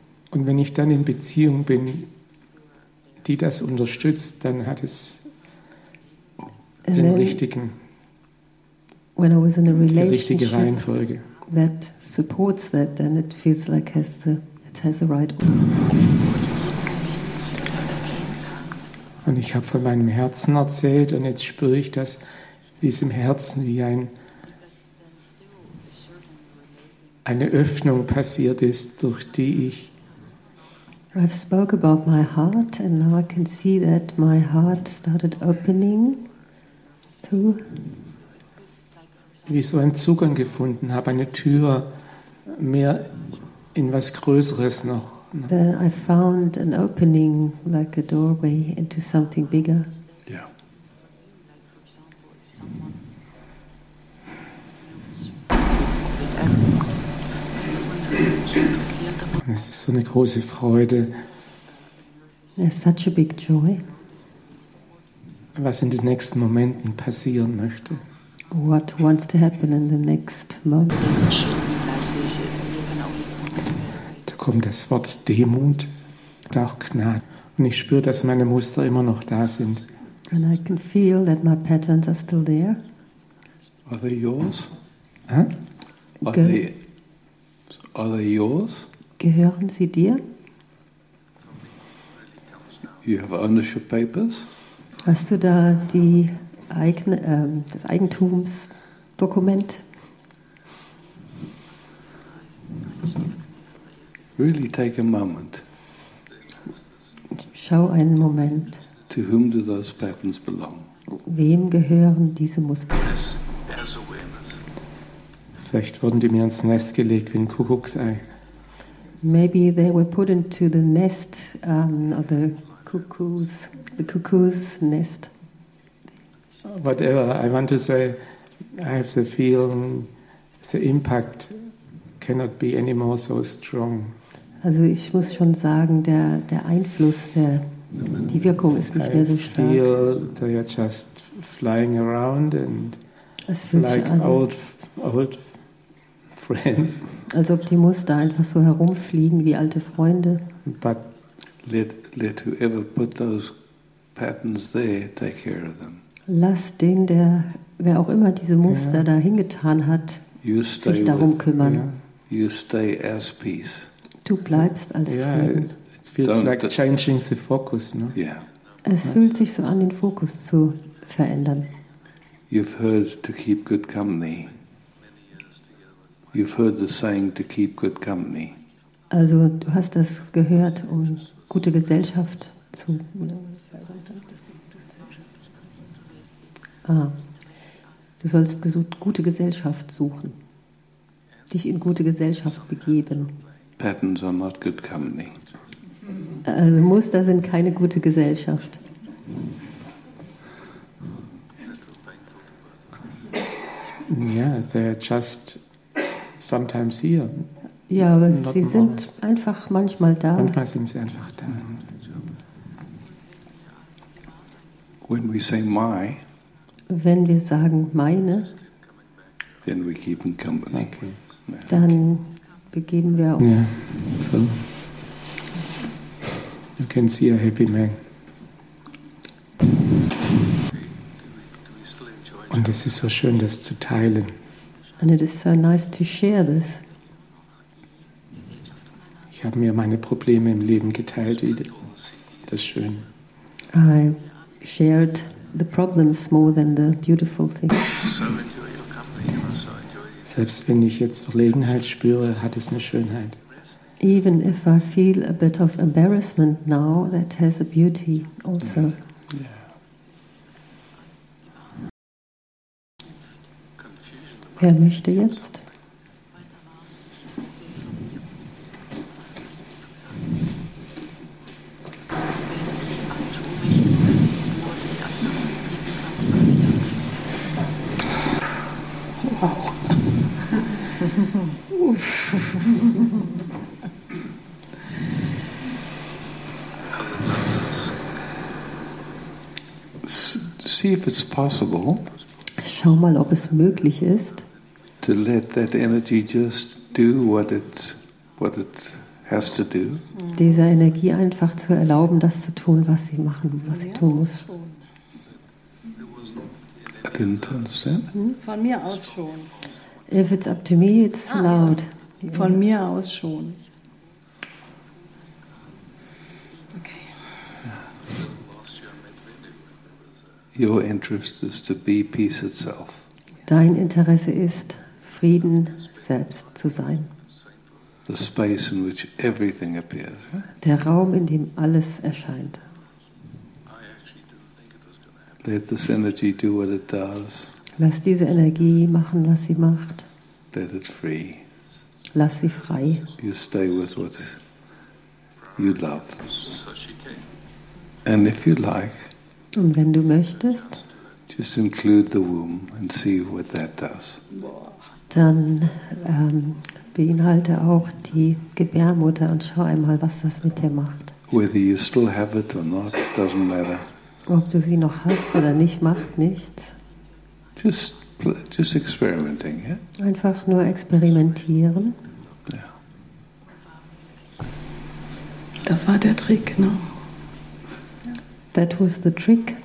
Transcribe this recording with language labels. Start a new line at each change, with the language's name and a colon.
German: Und wenn ich dann in Beziehung bin, die das unterstützt, dann hat es den richtigen,
English: when I was in a relationship,
German: die richtige Reihenfolge.
English: That supports that, then it feels like it has the right.
German: Und ich habe von meinem Herzen erzählt und jetzt spüre ich das, wie es im Herzen wie eine Öffnung passiert ist, durch die ich
English: I've spoke about my heart and now I can see that my heart started opening to
German: wie so einen Zugang gefunden habe, eine Tür mehr in was Größeres noch.
English: That I found an opening like a doorway into something bigger.
German: Es ist so eine große Freude.
English: It's such a big joy.
German: Was in den nächsten Momenten passieren möchte.
English: what wants to happen in the next moment.
German: Da kommt das Wort Demut und auch Gnade. Und ich spüre, dass meine Muster immer noch da sind.
English: And I can feel that my patterns are still there. Are they yours? Huh? Are they yours?
German: Gehören sie dir?
English: You have ownership papers?
German: Hast du da die eigene, das Eigentumsdokument?
English: Really take a moment.
German: Schau einen Moment.
English: To whom do those patterns belong?
German: Wem gehören diese Muster? Vielleicht wurden die mir ins Nest gelegt wie ein Kuckucksei.
English: Maybe they were put into the nest of the cuckoo's nest. Whatever I want to say, I have the feeling the impact cannot be any more so strong.
German: Also ich muss schon sagen, der Einfluss, die Wirkung ist nicht mehr so stark.
English: I feel they are just flying around and like old friends.
German: Als ob die Muster einfach so herumfliegen wie alte Freunde.
English: But let whoever put those patterns there take care of them.
German: Lass den, der wer auch immer diese Muster da hingetan hat, sich darum kümmern.
English: Yeah. You stay as peace.
German: Du bleibst als Frieden.
English: It feels like changing the focus, no? Yeah.
German: Es fühlt sich so an, den Fokus zu verändern.
English: You've heard to keep good company. You've heard the saying to keep good company.
German: Also, du hast das gehört, um gute Gesellschaft zu. Du sollst gute Gesellschaft suchen. Dich in gute Gesellschaft begeben.
English: Patterns are not good company.
German: Also, Muster sind keine gute Gesellschaft.
English: Yeah, they're just sometimes here.
German: Ja, aber sie sind einfach manchmal da. Manchmal sind sie einfach da.
English: When we say my,
German: wenn wir sagen meine,
English: then we keep in company. Okay. Yeah.
German: Dann begeben wir uns.
English: Yeah. So. You can see a happy man.
German: Und es ist so schön, das zu teilen.
English: And it is so nice to share this.
German: Ich habe mir meine Probleme im Leben geteilt, das ist schön.
English: I shared the problems more than the beautiful things.
German: Selbst wenn ich jetzt Verlegenheit spüre, hat es eine Schönheit.
English: Even if I feel a bit of embarrassment now, that has a beauty also. Yeah.
German: Wer möchte jetzt? Wow.
English: See if it's possible.
German: Schau mal, ob es möglich ist.
English: To let that energy just do what it has to do.
German: Dieser Energie einfach zu erlauben, das zu tun, was sie machen, was sie tun muss.
English: I didn't understand.
German: Von mir aus schon.
English: If it's up to me, it's loud.
German: Ja. Von mir aus schon.
English: Okay. Your interest is to be peace itself.
German: Dein Interesse ist, Frieden selbst zu sein.
English: The space in which everything appears.
German: Der Raum, in dem alles erscheint.
English: Let this energy do what it does.
German: Lass diese Energie machen, was sie macht.
English: Let it free.
German: Lass sie frei.
English: You stay with what you love. And if you like.
German: Und wenn du möchtest.
English: Just include the womb and see what that does.
German: Dann beinhalte auch die Gebärmutter und schau einmal, was das mit dir macht.
English: Whether you still have it or not, doesn't matter.
German: Ob du sie noch hast oder nicht, macht nichts.
English: Just experimenting, yeah?
German: Einfach nur experimentieren.
English: Yeah.
German: Das war der Trick, ne?
English: No? That was the trick.